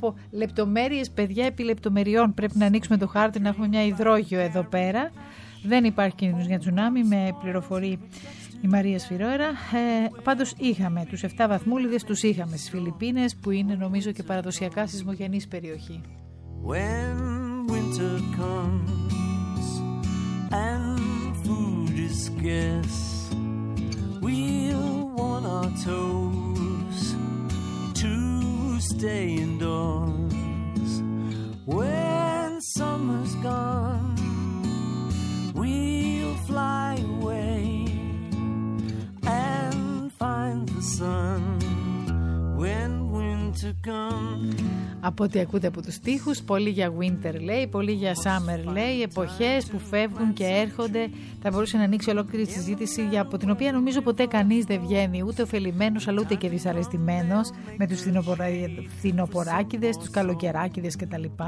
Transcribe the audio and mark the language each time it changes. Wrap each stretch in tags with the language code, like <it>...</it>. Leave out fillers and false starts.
<el>Λεπτομέρειες, παιδιά, επί λεπτομεριών. Πρέπει να ανοίξουμε το χάρτη, να έχουμε μια υδρόγειο εδώ πέρα. Δεν υπάρχει κίνδυνος για τσουνάμι, με πληροφορεί η Μαρία Σφυρόερα. Πάντως είχαμε τους 7 βαθμούλιδες, τους είχαμε στις Φιλιππίνες, που είναι νομίζω και παραδοσιακά σεισμογενής περιοχή.</el> <en>When winter comes and food is scarce, we'll want our toes to stay indoors. When summer's gone, we'll fly away and find the sun when winter comes.</en> <el>Από ό,τι ακούτε από τους στίχους, πολύ για winter λέει, πολύ για summer λέει, εποχές που φεύγουν και έρχονται. Θα μπορούσε να ανοίξει ολόκληρη συζήτηση από την οποία νομίζω ποτέ κανείς δεν βγαίνει, ούτε ωφελημένος αλλά ούτε και δυσαρεστημένος, με τους φθινοποράκηδες, τους καλοκαιράκηδες κτλ.</el>